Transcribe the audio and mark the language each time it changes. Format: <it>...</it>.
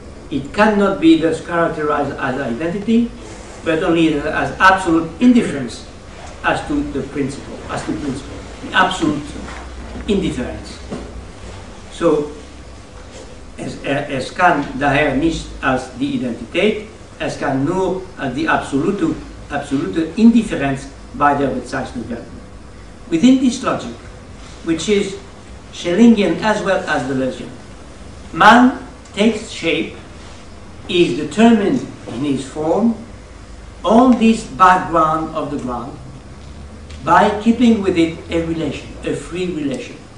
<en>It cannot be thus characterized as identity, but only as absolute indifference as to the principle, the absolute indifference.</en> <de>So, es kann daher nicht als die Identität, es kann nur als die absolute Indifferenz bei der Bezeichnung werden.</de> <en>Within this logic, which is Schellingian as well as the legend, man takes shape, is determined in his form, on this background of the ground, by keeping with it a relation, a free relation.</en>